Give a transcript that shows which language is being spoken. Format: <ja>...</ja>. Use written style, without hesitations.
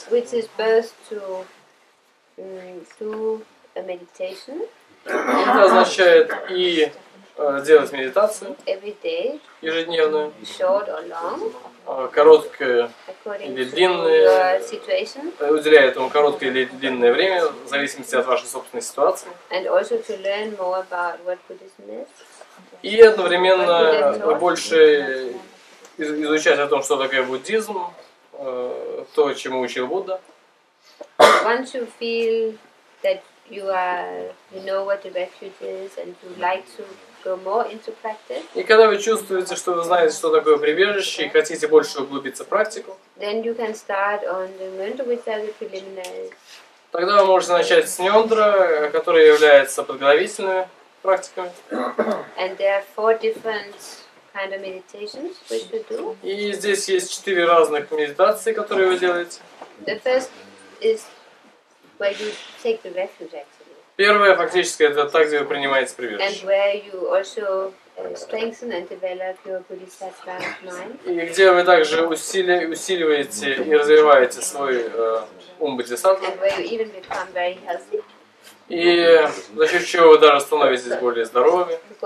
<en>which is both to do a meditation.</en> <ru>Это означает и делать медитацию</ru> <en>every day,</en> <ru>ежедневную,</ru> <en>short or long,</en> <ru>короткое или длинное, уделяя этому короткое или длинное время, в зависимости от вашей собственной ситуации.</ru> <en>And also to learn more about what Buddhism is.</en> <ru>И одновременно больше изучать о том, что такое буддизм, то, чему учил Будда.</ru> <en>Once you feel that you are, you know what the refuge is, and you like to go more into practice.</en> <ru>И когда вы чувствуете, что вы знаете, что такое прибежище, и хотите больше углубиться в практику.</ru> <en>Then you can start on the Nyandra, which are the preliminaries.</en> <ru>Тогда вы можете начать с Нёндра, которая является подготовительными практиками.</ru> <en>And there are 4 different kind of meditations which you do.</en> <ru>И здесь есть 4 разных медитации, которые вы делаете.</ru> <en>The first is where you take the refuge actually.</en> <ru>Первое фактически это так, где вы принимаете прибежище.</ru> <en>And where you also strengthen and develop your bodhisattva mind.</en> <ru>И где вы также усиливаете и развиваете свой ум бодхисаттва.</ru> <en>And where you even become very healthy.</en> <ru>И за счет чего вы даже становитесь более здоровыми.</ru>